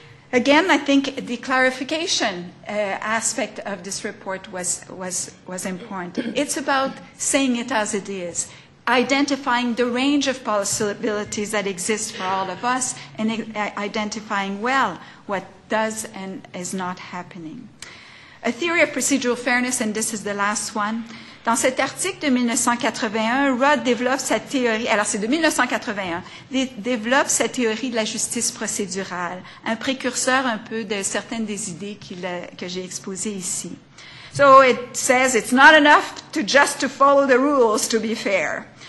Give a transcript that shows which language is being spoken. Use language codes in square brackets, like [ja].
[en] Again, I think the clarification aspect of this report was important. It's about saying it as it is, identifying the range of possibilities that exist for all of us, and identifying well what does and is not happening. A theory of procedural fairness, and this is the last one. [fr] Dans cet article de 1981, Rod développe sa théorie. Alors, c'est de 1981. Développe sa théorie de la justice procédurale, un précurseur un peu de certaines des idées que j'ai exposées ici. [en] So it says it's not enough to just to follow the rules to be fair.